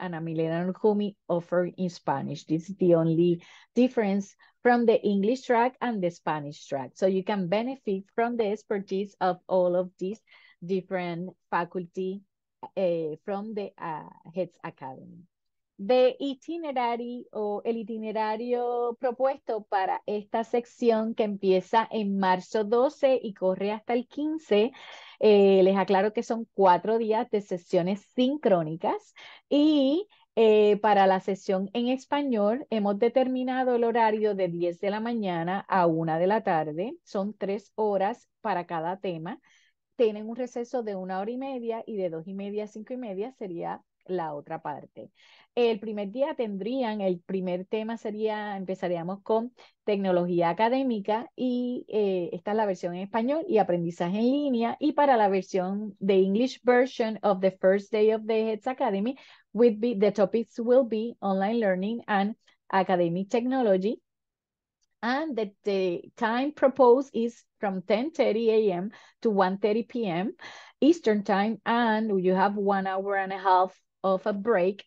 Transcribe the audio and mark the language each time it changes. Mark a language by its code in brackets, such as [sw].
[en] Ana Milena Nujumi offered in Spanish. This is the only difference from the English track and the Spanish track. So you can benefit from the expertise of all of these different faculty from the HETS Academy. The itinerary [es] o el itinerario propuesto para esta sección que empieza en marzo 12 y corre hasta el 15, les aclaro que son 4 días de sesiones sincrónicas y para la sesión en español hemos determinado el horario de 10 de la mañana a 1 de la tarde. Son 3 horas para cada tema. Tienen un receso de 1 hora y media y de 2 y media a 5 y media sería la otra parte. El primer día tendrían, el primer tema sería, empezaríamos con tecnología académica y esta es la versión en español y aprendizaje en línea. Y para la versión, [en] the English version of the first day of the HETS Academy, would be, the topics will be online learning and academic technology. And the time proposed is from 10:30 a.m. to 1:30 p.m. Eastern time. And you have 1.5 hours of a break.